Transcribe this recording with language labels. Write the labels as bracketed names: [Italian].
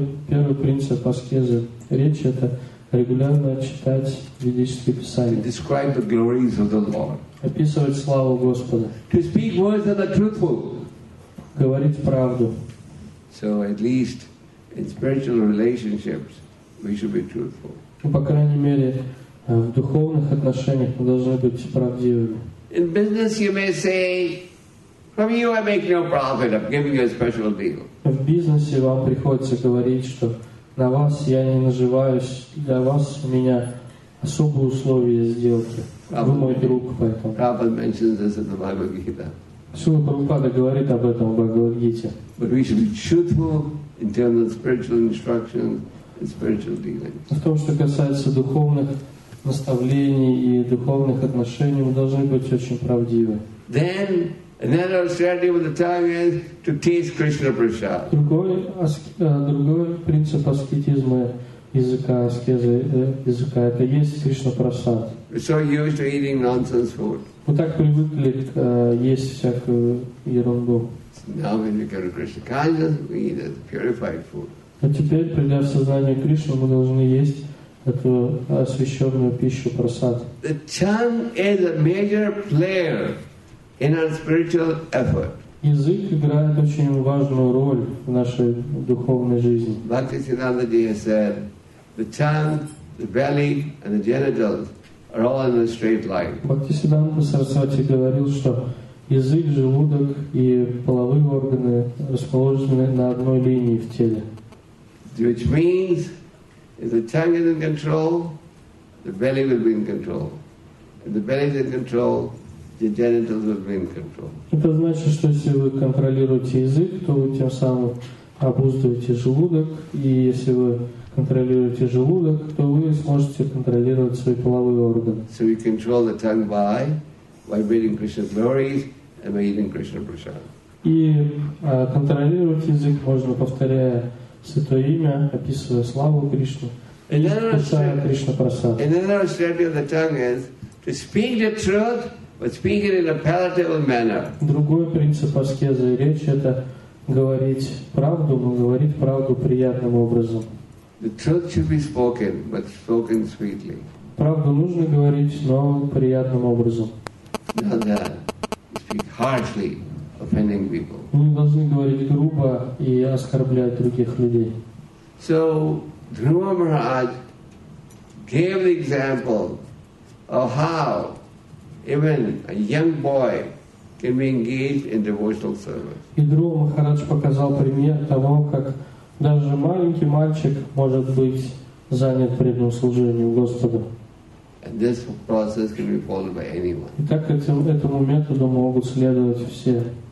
[Russian] Первый принцип аскезы речи – это регулярно читать ведические писания. [English] To describe the glories of the Lord. [Russian] Описывать славу Господа. [English] To speak words that are truthful. [Russian] Говорить правду. [English] So at least in spiritual relationships we should be truthful. [Russian] Ну, по крайней мере, в духовных отношениях мы должны быть правдивыми. [English] In business you may say, from you I make no profit, I'm giving you a special deal. [Russian] В бизнесе вам приходится говорить, что на вас я не наживаюсь, для вас у меня особые условия сделки. Вы мой друг, поэтому. [English] Prabhupada mentions this in the Bhagavad Gita. [Russian] Шрила Прабхупада говорит об этом в Бхагавад Гите. [English] But we should be truthful in terms of spiritual instructions. Spiritual dealings. [Russian] В том, что касается духовных наставлений и духовных отношений, мы должны быть очень правдивы. [English] Then another austerity with the tongue is to taste Krishna prasad. [Russian] Другой принцип аскетизма языка, аскезы языка, это есть Кришна прасад. [English] So used to eating nonsense food. [Russian] Мы так привыкли есть всякую ерунду. [English] Now when we go to Krishna consciousness, we eat the purified food. [Russian] А теперь, придя в сознание Кришны, мы должны есть эту освященную пищу, прасад. [English] The tongue is a major player in our spiritual effort. [Russian] Язык играет очень важную роль в нашей духовной жизни. [English] Bhaktisiddhanta ji has said, the tongue, the belly and the genitals are all in a straight line. [Russian] Bhaktisiddhanta Sarasvati говорил, что язык, желудок и половые органы расположены на одной линии в теле. [English] Which means, if the tongue is in control, the belly will be in control. If the belly is in control, the genitals will be in control. [Russian] Это значит, что если вы контролируете язык, то вы тем самым обуздываете желудок, и если вы контролируете желудок, то вы сможете контролировать свои половые органы. [English] So we control the tongue by vibrating Krishna's glories and by eating Krishna prasad. [Russian] И контролировать язык можно, повторяя Святое имя, описывая славу Кришну, вкушая Кришна прасад. [English] Another austerity of the tongue is to speak the truth, but speak it in a palatable manner. [Russian] Другой принцип аскезы речи – это говорить правду, но говорить правду приятным образом. [English] The truth should be spoken, but spoken sweetly. [Russian] Правду нужно говорить, но приятным образом. [English] Not that. You speak harshly. Offending people. [Russian] Мы должны говорить грубо и оскорблять других людей. [English] So Dhruva Maharaj gave the example of how even a young boy can be engaged in devotional service. [Russian] И Dhruva Maharaj показал пример того, как даже маленький мальчик может быть занят преданным служением Господу. [English] And this process can be followed by anyone. [Russian] И так этому методу могут следовать все.